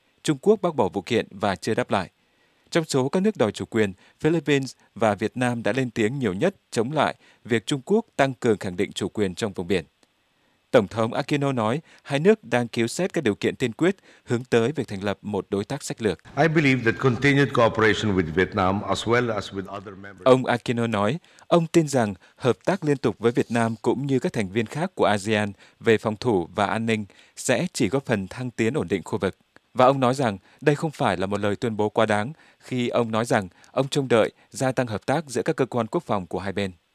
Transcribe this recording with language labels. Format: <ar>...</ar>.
<vi>Trung Quốc bác bỏ vụ kiện và chưa đáp lại. Trong số các nước đòi chủ quyền, Philippines và Việt Nam đã lên tiếng nhiều nhất chống lại việc Trung Quốc tăng cường khẳng định chủ quyền trong vùng biển. Tổng thống Aquino nói hai nước đang cứu xét các điều kiện tiên quyết hướng tới việc thành lập một đối tác sách lược.</vi> <en>I believe that continued cooperation with Vietnam as well as with other members.</en> <vi>Ông Aquino nói ông tin rằng hợp tác liên tục với Việt Nam cũng như các thành viên khác của ASEAN về phòng thủ và an ninh sẽ chỉ góp phần thăng tiến ổn định khu vực. Và ông nói rằng đây không phải là một lời tuyên bố quá đáng khi ông nói rằng ông trông đợi gia tăng hợp tác giữa các cơ quan quốc phòng của hai bên.</vi>